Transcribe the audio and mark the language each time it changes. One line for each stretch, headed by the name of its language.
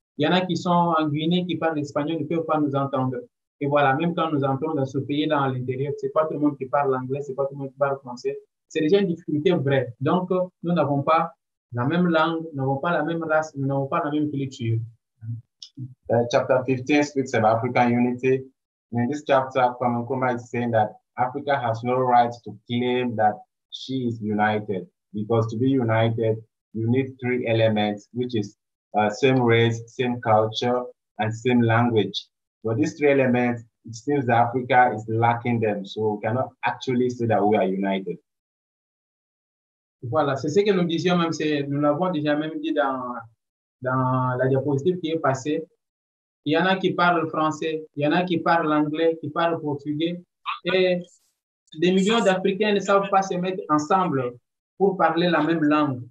French: Il y en a qui sont en Guinée qui parlent espagnol, ils ne peuvent pas nous entendre. Et voilà, même quand nous entrons dans ce pays, là, à l'intérieur, c'est pas tout le monde qui parle anglais, c'est pas tout le monde qui parle français. C'est déjà une difficulté vraie. Donc, nous n'avons pas la même langue, nous n'avons pas la même race, nous n'avons pas la même culture.
English: Chapter 15 speaks about African unity. In this chapter, Kwame Nkrumah is saying that Africa has no right to claim that she is united, because to be united, you need three elements, which is same race, same culture, and same language. But these three elements, it seems that Africa is lacking them, so we cannot actually say that we are united.
French: Voilà, c'est ce que nous disions même, c'est, nous l'avons déjà même dit dans la diapositive qui est passée. Il y en a qui parlent français, il y en a qui parlent anglais, qui parlent portugais. Et des millions d'Africains ne savent pas se mettre ensemble pour parler la même langue.